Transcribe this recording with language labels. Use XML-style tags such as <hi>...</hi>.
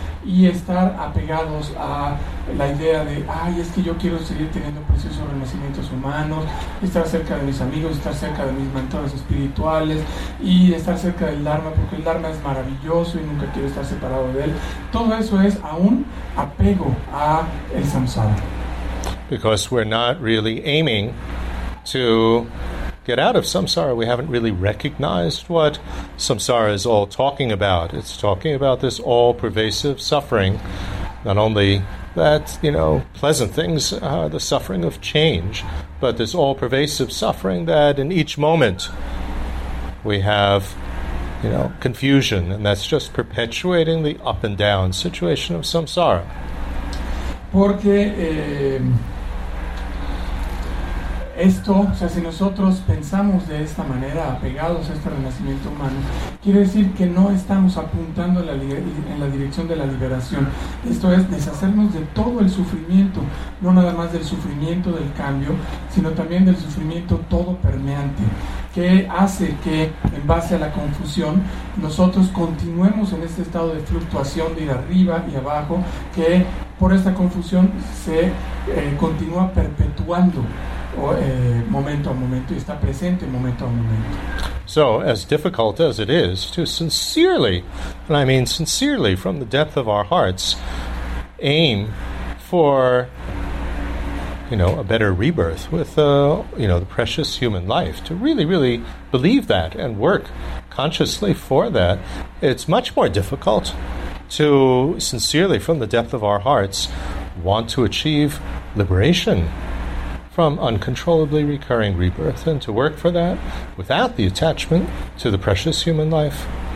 <es>y estar apegados a la idea de, ay, es que yo quiero seguir teniendo procesos de renacimientos humanos, estar cerca de mis amigos, estar cerca de mis mentores espirituales y estar cerca del Dharma, porque el Dharma es maravilloso y nunca quiero estar separado de él. Todo eso es aún apego a el samsara.</es> <en>Because we're not really aiming to get out of samsara. We haven't really recognized what samsara is all talking about. It's talking about this all-pervasive suffering, not only that, you know, pleasant things are the suffering of change, but this all-pervasive suffering that in each moment we have, you know, confusion, and that's just perpetuating the up and down situation of samsara.</en> <es>Porque esto, o sea, si nosotros pensamos de esta manera, apegados a este renacimiento humano, quiere decir que no estamos apuntando en la dirección de la liberación. Esto es deshacernos de todo el sufrimiento, no nada más del sufrimiento del cambio, sino también del sufrimiento todo permeante, que hace que, en base a la confusión, nosotros continuemos en este estado de fluctuación de ir arriba y abajo, que por esta confusión se continúa perpetuando. Momento a momento, está presente momento a momento.</es> <en>So, as difficult as it is to sincerely, and I mean sincerely from the depth of our hearts, aim for, you know, a better rebirth with, you know, the precious human life, to really, really believe that and work consciously for that, it's much more difficult to sincerely from the depth of our hearts want to achieve liberation from uncontrollably recurring rebirth and to work for that without the attachment to the precious human life.</en>